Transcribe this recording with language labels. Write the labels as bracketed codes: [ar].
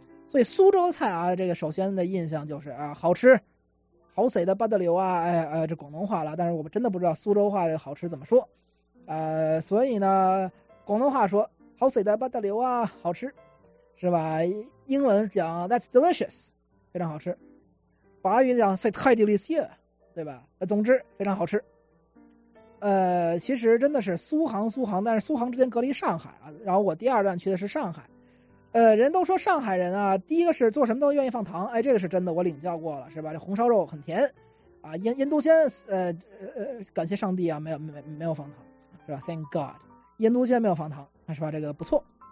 [zh] 所以苏州菜啊，这个首先的印象就是啊，好吃，好塞的巴得流啊，这广东话了，但是我们真的不知道苏州话这个好吃怎么说，所以呢，广东话说好塞的巴得流啊，好吃，是吧？英文讲 [en] That's delicious， [zh] 非常好吃。法语讲 [fr] C'est très délicieux， [zh] 对吧？总之非常好吃。其实真的是苏杭，但是苏杭之间隔离上海啊，然后我第二站去的是上海。人都说上海人啊，第一个是做什么都愿意放糖，哎，这个是真的，我领教过了，是吧？这红烧肉很甜，啊，腌笃鲜，感谢上帝啊，没有放糖，是吧 ？ [en] Thank God， [zh] 腌笃鲜没有放糖，是吧？这个不错。